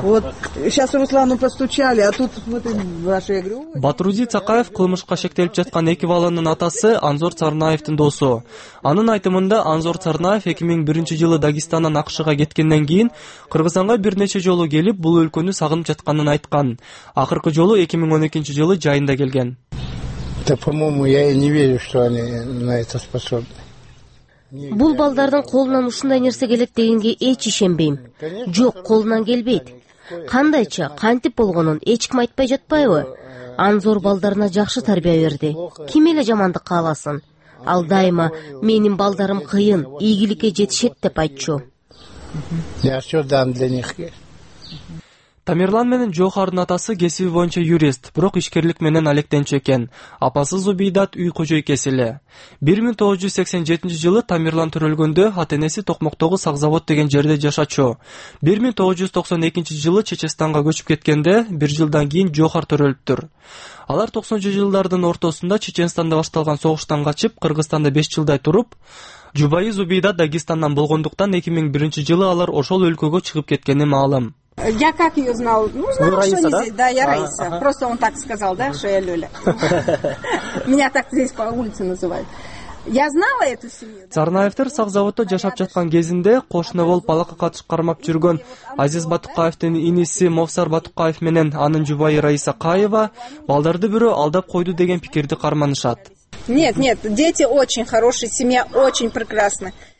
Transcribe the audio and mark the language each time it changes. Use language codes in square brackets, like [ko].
[ru] Вот, сейчас Руслану постучали, а тут вот ваши игры. [ky] Батрузи Цакаев кылмышка шектелип жаткан эки баланын атасы Анзор Царнаевдин досу. Анын айтымында Анзор Царнаев 2001 жылы Дагестандан АКШга кеткенден кийин Кыргызстанга бир нече жолу келип, бул өлкөнү сагынып жатканын айткан. Акыркы жолу 2012 жылы жайында келген. [ru] Да, по-моему, я и не верю, что они на это способны. [ky] Бул балдардын колунан ушундай нерсе келет дегенге эч ишенбейм. Жок, колунан келбейт. Кандайча, кантип болгонун эч ким айтпай жатпайбы? Анзор балдарына жакшы тарбия берди. Ким эле жамандык кааласын? Ал дайыма менин балдарым кыйын, ийгиликке жетишет деп айтчу. [ru] Я все дам для них. [ky] Тамерлан менен Жохардын атасы кесиби боюнча юрист, бирок ишкерлик менен алектенчү экен. Апасы Зубидат үй кожойкеси эле. 1987 жылы Тамерлан төрөлгөндө ата-энеси Токмоктогу Сагзавод деген жерде жашачу. 1992 жылы Чечестанга көчүп кеткенде, бир жылдан кийин Жохар төрөлүптүр. Алар 90-чу жылдардын ортосунда Чеченстанда башталган согуштан качып, Кыргызстанда 5 жылдай туруп, жубайы Зубидат Дагестандан болгондуктан 2001 жылы алар ошол өлкөгө чыгып кеткени маалым. [ru] Я как ее знал? Ну, знала, Раиса, что не здесь. Да, я Раиса. Ага. Просто он так сказал, да, что я Люля. Меня так здесь по улице называют. Я знала эту семью. [ky] Царнаевтер Сагзаводдо жашап жаткан кезинде кошуна болуп алакка катышып кармап жүргөн Азиз Батукаевдин иниси Мовсар Батукаев менен анын жубайы Раиса Каева балдарды бирөө алдап койду деген пикирди карманышат. [ru] Нет, нет, дети очень хорошие, семья очень прекрасна.